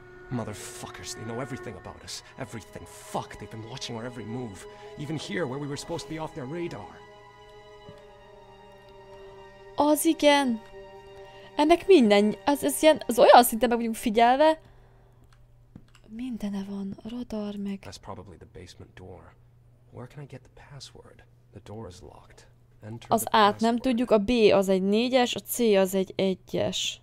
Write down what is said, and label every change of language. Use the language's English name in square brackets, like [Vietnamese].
[English] Motherfuckers, they know everything about us. Everything. Fuck, they've been watching our every move. Even here, where we were supposed to be off their radar. [Hungarian] Az igen. Ennek minden, ez ilyen, az olyan szinte meg vagyunk figyelve. Mindene van, radar meg. [English] That's probably the basement door. Where can I get the password? The door is locked. Enter. [Hungarian] Az át nem tudjuk, a B az egy 4-es, a C az egy 1-es.